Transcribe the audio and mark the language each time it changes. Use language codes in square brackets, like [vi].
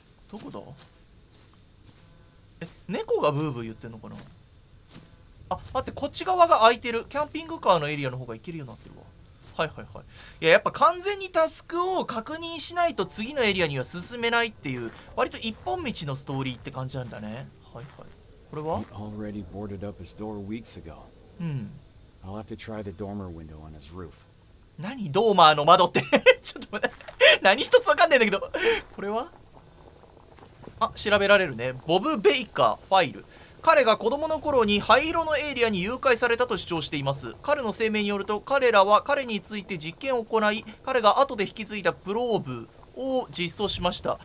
[ja] どこだ。え、猫がブーブー言ってんのかな。あ、待って、こっち側が空いてる。キャンピングカーのエリアの方が行けるようになってるわ。はいはいはい。いや、やっぱ完全にタスクを確認しないと次のエリアには進めないっていう、割と一本道のストーリーって感じなんだね。はいはい。これは？ [en] He already boarded up his door weeks ago. I'll have to try the dormer window on his roof. [ja] 何？ドーマーの窓ってちょっと待って何一つわかんないんだけどこれは？あ、調べられるね。ボブ・ベイカーファイル。彼が子供の頃に灰色のエイリアンに誘拐されたと主張しています。彼の声明によると彼らは彼について実験を行い、彼が後で引き継いだプローブを実装しました。